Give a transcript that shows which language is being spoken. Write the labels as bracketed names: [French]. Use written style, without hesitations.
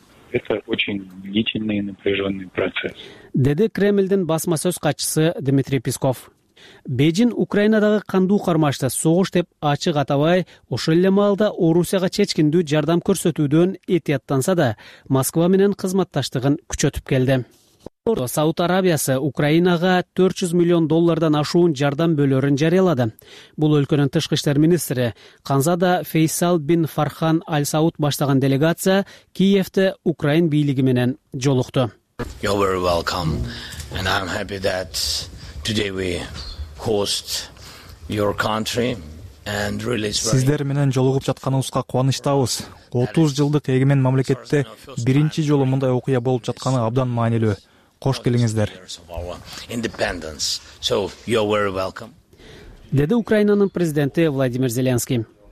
[Russian] Это очень длительный и напряжённый процесс. [Kyrgyz] Деди Кремлдин басма сөз катчысы Дмитрий Песков. Бээжин Украинадагы кандуу кармашты согуш деп ачык атабай, ошол эле маалда Орусияга чечкиндүү жардам көрсөтүүдөн этияттанса да, Москва менен кызматташтыгын күчөтүп келди. Сауд Арабиясы Украинага 400 миллион доллардан ашуун жардам бөлөрүн жарыялады. Бул өлкөнүн тышкы иштер министри Ханзада Фейсал бин Фархан Аль Сауд баштаган делегация Киевде Украин бийлиги менен жолукту. [English] You're very welcome and I'm happy that today we host your country. [Kyrgyz] Сиздер менен жолугуп жатканыбызга кубанычтабыз. 30 жылдык эгемен мамлекетте биринчи жолу мындай окуя болуп жатканы абдан маанилүү. Кош келиңиздер. деди Украинанын президенти Владимир Зеленский.